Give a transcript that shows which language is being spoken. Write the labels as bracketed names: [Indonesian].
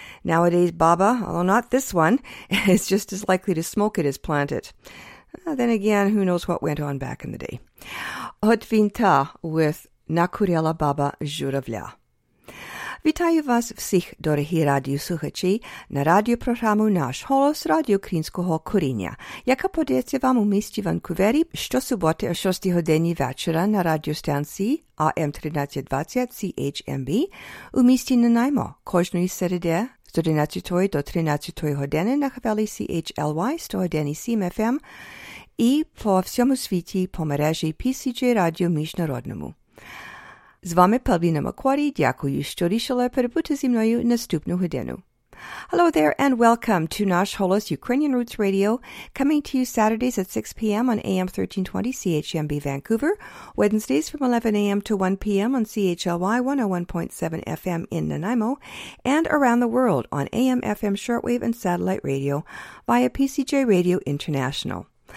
[English] Nowadays, Baba, although not this one, is just as likely to smoke it as plant it. Then again, who knows what went on back in the day. Otvinta with Nakurela Baba Zhuravlya. [Ukrainian] Вітаю вас всіх, дорогі радіослухачі, на радіопрограму «Наш голос» радіо українського коріння, яка подається вам у місті Ванкувері щосуботи о 6 годині вечора на радіостанції AM1320CHMB у місті Нанаймо кожної середи з 11 до 13 години на хвилі CHLY 101 CMFM і по всьому світі по мережі PCJ Радіо Міжнародному. З вами Павліна Макварі, дякую, що рішили перебути зі мною наступну годину. [English] Hello there and welcome to Nash Holos Ukrainian Roots Radio, coming to you Saturdays at 6 p.m. on AM 1320 CHMB Vancouver, Wednesdays from 11 a.m. to 1 p.m. on CHLY 101.7 FM in Nanaimo, and around the world on AM, FM, shortwave and satellite radio via PCJ Radio International.